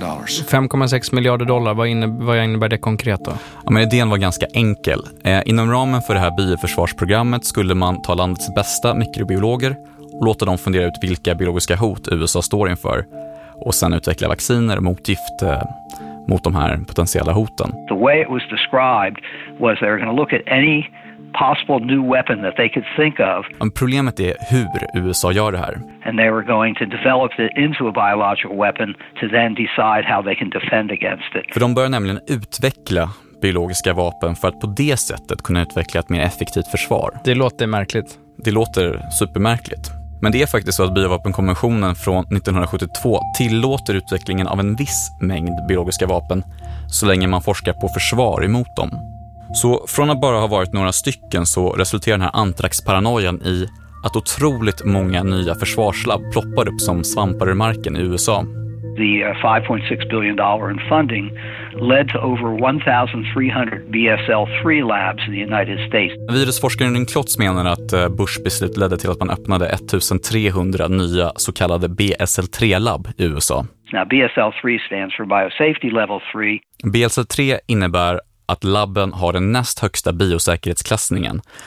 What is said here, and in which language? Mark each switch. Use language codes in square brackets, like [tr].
[sv] 5,6 miljarder dollar, vad innebär det konkret då? Ja, men idén var ganska enkel. Inom ramen för det här bioförsvarsprogrammet skulle man ta landets bästa mikrobiologer och låta dem fundera ut vilka biologiska hot USA står inför och sen utveckla vacciner mot gift mot de här potentiella hoten. [en] The way it was described was they were going to look at any possible new weapon that they could think of. [sv] Men problemet är hur USA gör det här. [en] And they were going to develop it into a biological weapon to then decide how they can defend against it. [sv] För de börjar nämligen utveckla biologiska vapen för att på det sättet kunna utveckla ett mer effektivt försvar. Det låter märkligt. Det låter supermärkligt. Men det är faktiskt så att biovapenkonventionen från 1972 tillåter utvecklingen av en viss mängd biologiska vapen så länge man forskar på försvar emot dem. Så från att bara ha varit några stycken så resulterar den här antraxparanoian i att otroligt många nya försvarslabb ploppar upp som svampar i marken i USA. [en] The $5.6 billion in funding led to over 1,300 BSL-3 labs in the United States. [sv] Virusforskaren Lynn Klotz menar att Bush beslut ledde till att man öppnade 1,300 nya så kallade BSL-3-labb i USA. [en] Now BSL-3 stands for Biosafety Level 3. [sv] BSL-3 innebär att labben har den näst högsta biosäkerhetsklassningen.